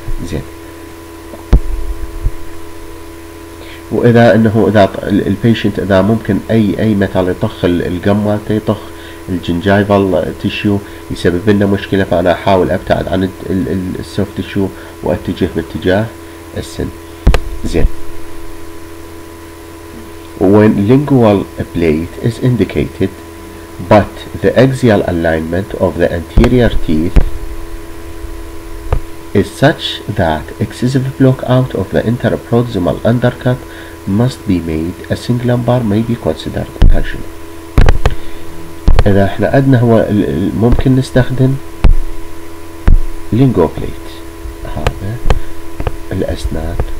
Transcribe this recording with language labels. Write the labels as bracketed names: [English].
[Arabic] زين واذا انه اذا البيشنت اذا ممكن اي مثال يطخ القم مالته يطخ الجنجايفال تيشو يسبب لنا مشكله فانا احاول ابتعد عن السوفت تيشو واتجه باتجاه السن. [English] زين When lingual plate is indicated, but the axial alignment of the anterior teeth is such that excessive block out of the interproximal undercut must be made, a single lumbar may be considered. [Arabic] Actually, إذا إحنا عندنا هو ممكن نستخدم lingual plate هذا الأسنان.